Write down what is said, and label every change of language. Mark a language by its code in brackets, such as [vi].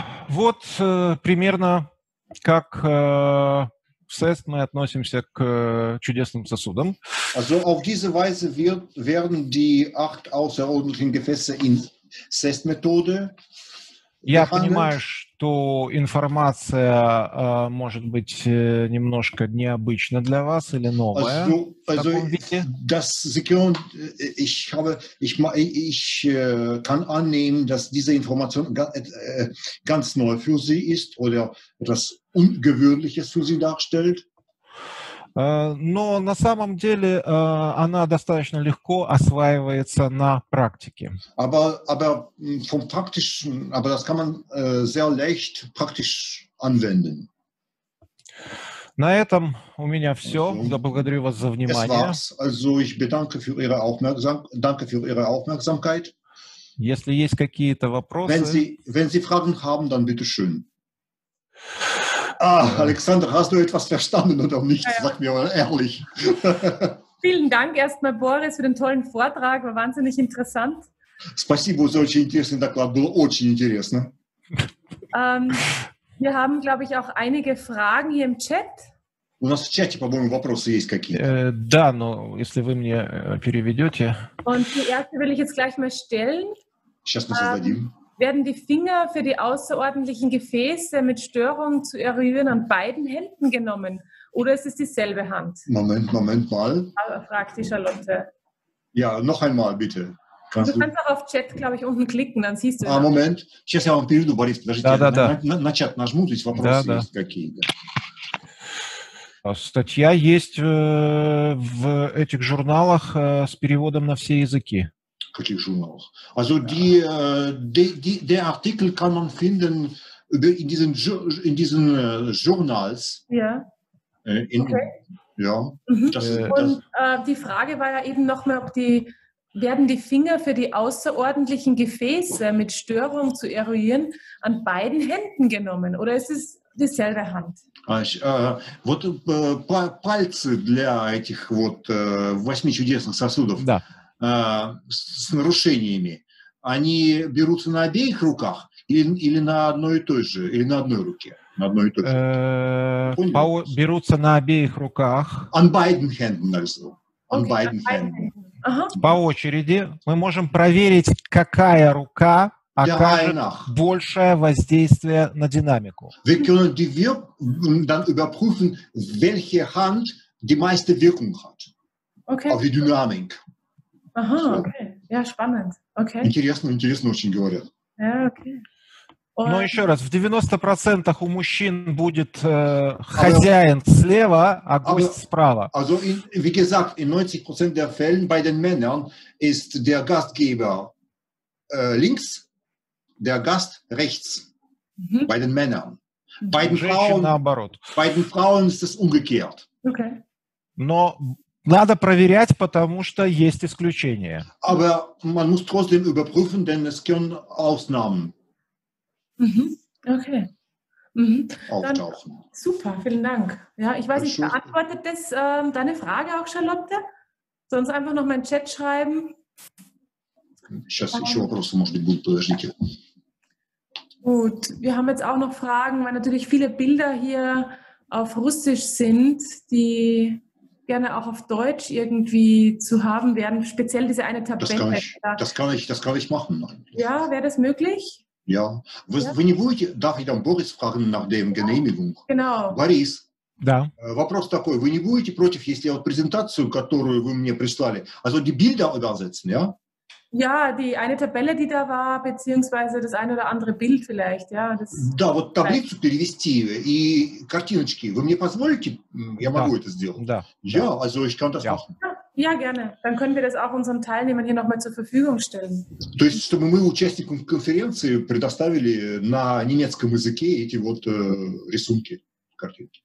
[ru] Вот примерно как в SEST мы относимся к чудесным сосудам. [de] Also auf diese Weise werden die acht außerordentlichen Gefäße in SEST-Methode behandelt. [ru] Я понимаю, что информация может быть немножко необычна для вас или новая. [de] Also das Sie können, ich kann annehmen, dass diese Information ganz neu für Sie ist oder etwas Ungewöhnliches für Sie darstellt. [ru] Но на самом деле она достаточно легко осваивается на практике. [de] Aber vom praktischen, aber das kann man sehr leicht praktisch anwenden. [ru] На этом у меня все. Also, благодарю вас за внимание. [de] Es war's. Also ich bedanke für Ihre Aufmerksamkeit. Danke für Ihre Aufmerksamkeit. [ru] Если есть какие-то вопросы. [de] Wenn Sie Fragen haben, dann bitte schön. Alexander, hast du etwas verstanden oder nicht? Sag mir mal ehrlich. Vielen Dank erstmal, Boris, für den tollen Vortrag. War wahnsinnig interessant. [ru] Спасибо за очень интересный доклад. Было очень интересно. [de] Wir haben, glaube ich, auch einige Fragen hier im Chat. [ru] У нас в чате, по-моему, вопросы есть какие-то. Да, но если вы мне переведете. [de] Und die erste will ich jetzt gleich mal stellen. [ru] Сейчас мы создадим. [de] Werden die Finger für die außerordentlichen Gefäße mit Störungen zu erhöhen an beiden Händen genommen? Oder ist es dieselbe Hand? Moment mal. Fragt die Charlotte. Ja, noch einmal bitte. Kannst du kannst auch auf Chat, glaube ich, unten klicken, dann siehst du das. Moment. [ru] Сейчас я вам перейду, Борис. Да. На чат нажму, здесь вопросы да, есть да. какие-то. Статья есть в этих журналах с переводом на все языки. [de] Also der Artikel kann man finden in diesen Journals. Ja. Okay. Ja. Die Frage war ja eben nochmal, werden die Finger für die außerordentlichen Gefäße mit Störung zu eruieren an beiden Händen genommen oder ist es dieselbe Hand? [ru] Пальцы для этих вот восьми чудесных сосудов. Да. С нарушениями, они берутся на обеих руках или на одной и той же, или на одной руке? На одной и той же. Берутся на обеих руках. On Biden hand, also. On Biden hand. По очереди мы можем проверить, какая рука оказывает большее воздействие на динамику. [de] Wir können die Wirkung dann überprüfen, welche Hand die meiste Wirkung hat. Okay. Auf die Dynamik. [ru] Ага, окей. Я spannend. Okay. Интересно очень говорят. [en] Yeah, okay. [ru] Но еще раз, в 90% у мужчин будет хозяин слева, а гость справа. [de] Also, wie gesagt, in 90% der Fällen bei den Männern ist der Gastgeber links, der Gast rechts. Mm-hmm. Bei den Männern. Bei den Frauen [ru] наоборот. [de] Bei den Frauen ist es umgekehrt. Okay. [ru] Но надо проверять, потому что есть исключения. [de] Aber man muss trotzdem überprüfen, denn es können Ausnahmen. Mhm. Okay. Mhm. Auftauchen. Dann, super, vielen Dank. Ja, ich weiß nicht, beantwortet das deine Frage auch, Charlotte? Sonst einfach noch mal in den Chat schreiben. [ru] Сейчас еще вопросы, может быть, будут, подождите. [de] Gut, wir haben jetzt auch noch Fragen, weil natürlich viele Bilder hier auf Russisch sind, die gerne auch auf Deutsch irgendwie zu haben werden, speziell diese eine Tabelle. Das kann ich machen. Ja, wäre das möglich? Ja. Wenn ihr wollt, darf ich dann Boris fragen nach dem Genehmigung. Genau. [ru] Борис. Да. Вопрос такой. Вы не будете против, если я вот презентацию, которую вы мне прислали, [de] also die Bilder übersetzen, ja? Ja, die eine Tabelle, die da war, beziehungsweise das ein oder andere Bild vielleicht, ja. Das [ru] да, вот таблицу vielleicht. Перевести и картиночки. Вы мне позволите? Я могу это сделать. Да. [de] Ja, also ich kann das machen. Ja, gerne. Dann können wir das auch unseren Teilnehmern hier nochmal zur Verfügung stellen. [ru] То есть, чтобы мы участникам конференции предоставили на немецком языке эти вот рисунки, картинки.